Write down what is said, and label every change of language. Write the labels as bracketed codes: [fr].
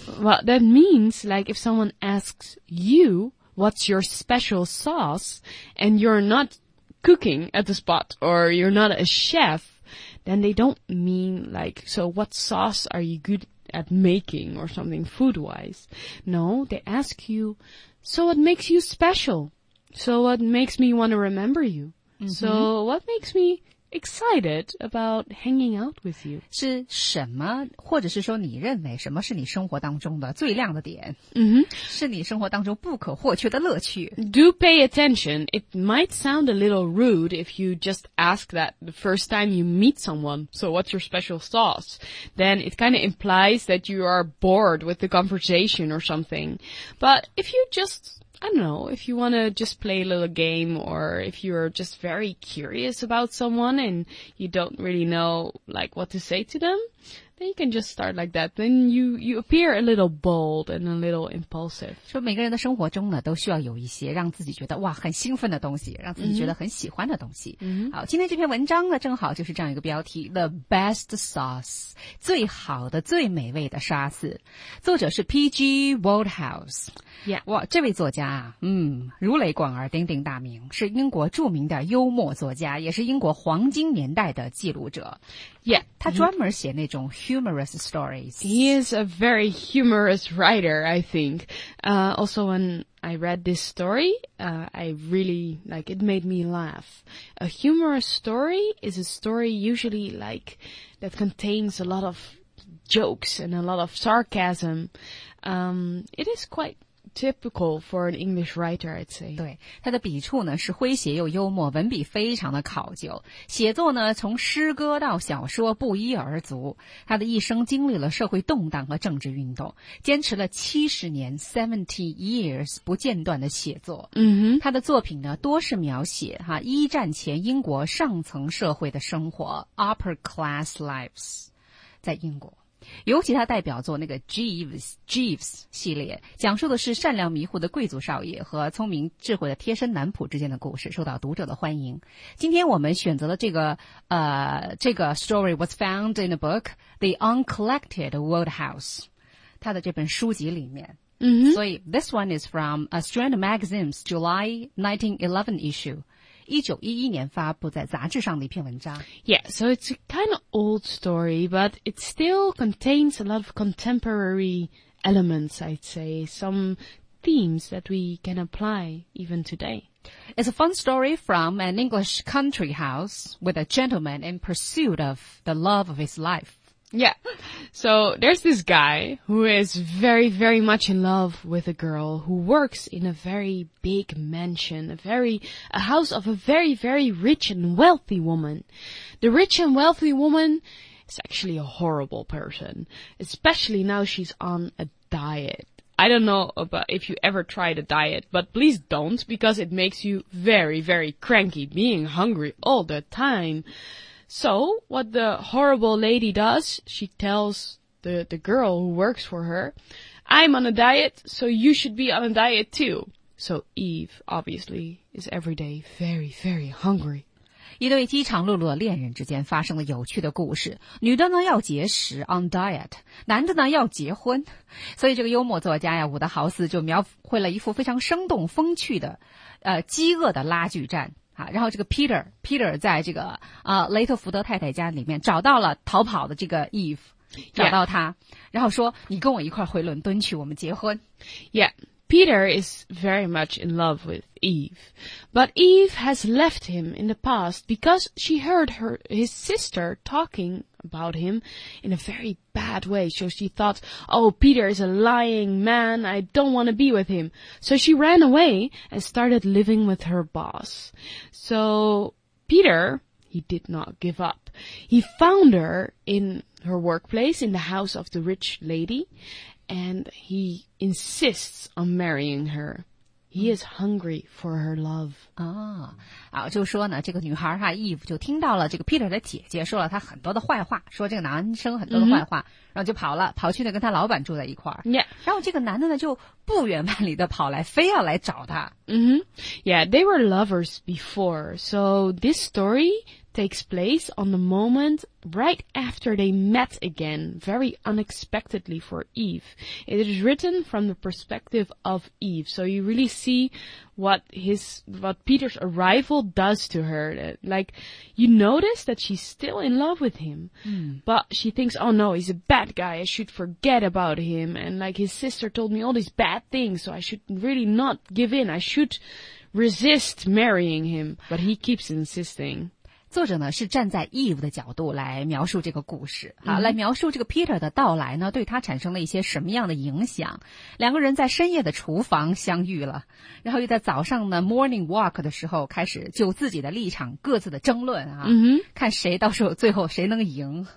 [en] Well, that means like if someone asks you what's your special sauce and you're not cooking at the spot or you're not a chef, then they don't mean like, so what sauce are you good at making or something food wise. No, they ask you, so what makes you special? So what makes me want to remember you? Mm-hmm. So what makes me excited about hanging out with you? [zh] 是什么，或者是说你认为什么是你生活当中的最亮的点？ [en] Mm-hmm. [zh] 是你生活当中不可或缺的乐趣。 [en] Do pay attention. It might sound a little rude if you just ask that the first time you meet someone, so what's your special sauce? Then it kind of implies that you are bored with the conversation or something. But if you just... I don't know, if you want to just play a little game or if you're just very curious about someone and you don't really know, like, what to say to them, then you can just start like that. Then you appear a little bold and a little impulsive. [zh] 说每个人的生活中呢都需要有一些让自己觉得哇很兴奋的东西，让自己觉得很喜欢的东西。 [en] Mm-hmm. [zh] 好，今天这篇文章呢正好就是这样一个标题 The Best Sauce, 最好的最美味的沙司。作者是 PG Wodehouse。 [en] Yeah. [zh] 哇，这位作家啊，如雷贯耳，鼎鼎大名，是英国著名的幽默作家，也是英国黄金年代的记录者。 [en] Yeah. [zh] 他专门写那种 [en] humorous stories. He is a very humorous writer, I think. Also when I read this story, I really, like, it made me laugh. A humorous story is a story usually, like, that contains a lot of jokes and a lot of sarcasm. It is quite... Typical for an English writer, I'd say. [zh] 对，他的笔触呢是诙谐又幽默，文笔非常的考究。写作呢从诗歌到小说不一而足。他的一生经历了社会动荡和政治运动，坚持了70年 [en] (70 years) [zh] 不间断的写作。嗯哼，他的作品呢多是描写哈一战前英国上层社会的生活 [en] (upper class lives) [zh] 在英国。尤其他代表作那个 Jeeves 系列，讲述的是善良迷糊的贵族少爷和聪明智慧的贴身男仆之间的故事，受到读者的欢迎。今天我们选择了这个 [en] story was found in a book The Uncollected Wodehouse, [zh] 他的这本书籍里面。 [en] Mm-hmm. [zh] 所以 [en] this one is from A Strand Magazine's July 1911 issue. [zh] 1911年发布在杂志上的一篇文章。 [en] Yeah, so it's a kind of old story, but it still contains a lot of contemporary elements, I'd say, some themes that we can apply even today. It's a fun story from an English country house with a gentleman in pursuit of the love of his life. Yeah. So there's this guy who is very, very much in love with a girl who works in a very big mansion, a house of a very, very rich and wealthy woman. The rich and wealthy woman is actually a horrible person, especially now she's on a diet. I don't know about if you ever tried a diet, but please don't, because it makes you very, very cranky, being hungry all the time. So, what the horrible lady does, she tells the girl who works for her, I'm on a diet, so you should be on a diet too. So Eve, obviously, is every day very, very hungry. [zh] 一对饥肠辘辘的恋人之间发生了有趣的故事。女的呢要节食 [en] on diet， [zh] 男的呢要结婚。所以这个幽默作家呀，伍德豪斯就描绘了一幅非常生动风趣的，饥饿的拉锯战啊。然后这个 Peter 在这个雷特福德太太家里面找到了逃跑的这个 Eve， 找到他， [en] yeah. [zh] 然后说：“你跟我一块回伦敦去，我们结婚。” [en] Yeah, Peter is very much in love with. Eve. But Eve has left him in the past because she heard his sister talking about him in a very bad way. So she thought, oh, Peter is a lying man. I don't want to be with him. So she ran away and started living with her boss. So Peter, he did not give up. He found her in her workplace, in the house of the rich lady, and he insists on marrying her. He is hungry for her love. [zh] 啊，就说呢，这个女孩哈 ，Eve 就听到了这个 Peter 的姐姐说了她很多的坏话，说这个男生很多的坏话， mm-hmm. 然后就跑了，跑去呢跟他老板住在一块儿。 [en] Yeah. [zh] 然后这个男的呢就不远万里的跑来，非要来找她。 [en] Mm-hmm. Yeah, they were lovers before, so this story takes place on the moment right after they met again, very unexpectedly for Eve. It is written from the perspective of Eve, so you really see what Peter's arrival does to her. Like, you notice that she's still in love with him, but she thinks, oh no, he's a bad guy, I should forget about him, and like his sister told me all these bad things, so I should really not give in, I should resist marrying him, but he keeps insisting. [zh] 作者呢是站在 Eve 的角度来描述这个故事啊、mm-hmm. 来描述这个 Peter 的到来呢对他产生了一些什么样的影响。两个人在深夜的厨房相遇了，然后又在早上呢 [en] morning walk [zh] 的时候开始就自己的立场各自的争论啊、 [en] mm-hmm. [zh] 看谁到时候最后谁能赢。